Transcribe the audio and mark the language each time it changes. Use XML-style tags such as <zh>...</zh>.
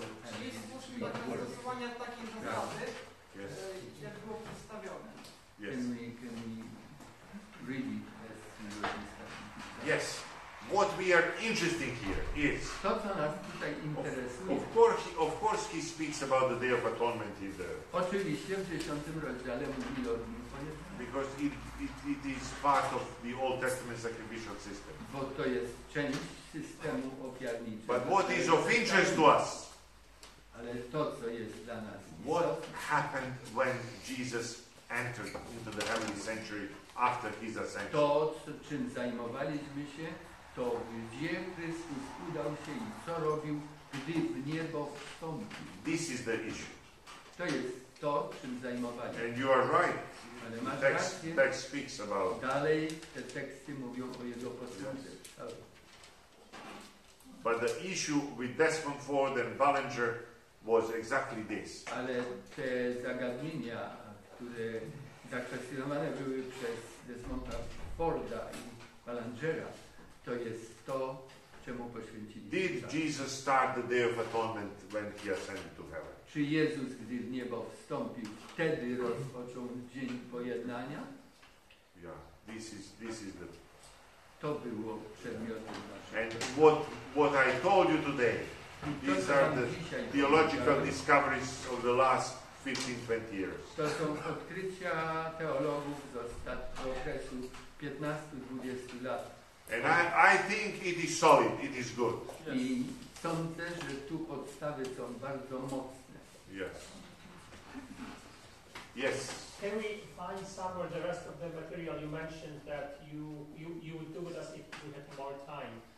<pl>Czyli spójrzmy do zastosowania takiej zasady, yes. Jak było przedstawione.</pl> <en>Yes. Can we read it as you were discussing? Yes. What we are interested here is</en> <pl>to, co nas tutaj interesuje.</pl> <en>Of course he speaks about the Day of Atonement in there.</en> <pl>Oczywiście w 10 rozdziale mówi o dniu pojednania.</pl> <en>Because it is part of the Old Testament sacrificial system.</en> <pl>Bo to jest część systemu ofiarniczego.</pl> <en>But what is of interest to us?</en> <pl>Ale to, co jest dla nas.</pl> <en>What happened when Jesus entered into the heavenly sanctuary after his ascension?</en> <pl>To, czym zajmowaliśmy się, to gdzie Chrystus udał się i co robił, gdy w niebo wstąpił.</pl> <en>This is the issue.</en> <pl>To jest to, czym zajmowaliśmy się.</pl> <en>And you are right.</en> <pl>Ale masz rację.</pl> <en>Text speaks about.</en> <pl>Dalej te teksty mówią o jego posłudze.</pl> <en>But the issue with Desmond Ford and Ballinger was exactly this.</en> <pl>Ale te zagadnienia, które zakwestionowane były przez Desmonda Forda i Ballingera, to jest to, czemu poświęciliśmy.</pl> <en>Did Jesus start the Day of Atonement when he ascended to heaven?</en> <pl>Czy Jezus, gdy w niebo wstąpił, wtedy rozpoczął dzień pojednania?</pl> <en>Yeah, this is the.</en> <pl>To było przedmiotem naszym.</pl> <en>And what I told you today, these are the theological discoveries of the last 15-20 years.</en> <pl>To są odkrycia teologów z ostatniego okresu 15-20 lat.</pl> <en>And I think it is solid, it is good.</en> <pl>I sądzę, że tu podstawy są bardzo mocne.</pl> <en>Yes. Yes. Can we find somewhere the rest of the material you mentioned that you would do with us if we had more time?</en>